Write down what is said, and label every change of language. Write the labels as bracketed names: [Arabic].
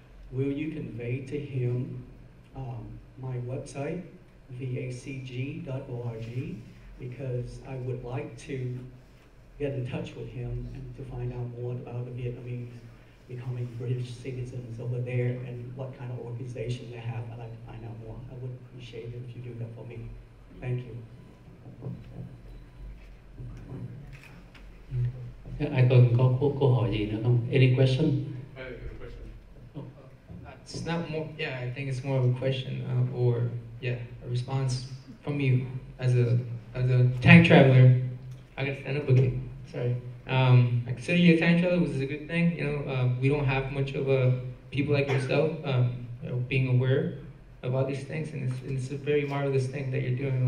[English] Will you convey to him my website, vacg.org, because I would like to get in touch with him and to find out more about the Vietnamese becoming British citizens over there and what kind of organization they have. I'd like to find out more. I would appreciate it if you do that for me. Thank you. [Vietnamese] Ai còn có câu hỏi gì nữa không? [English] Any question? It's not more, yeah, I think it's more of a question or, yeah, a response from you as a tank traveler. I gotta stand up again. Sorry. I consider you a tank traveler, which is a good thing. You know, we don't have much of people like yourself being aware of all these things, and it's a very marvelous thing that you're doing.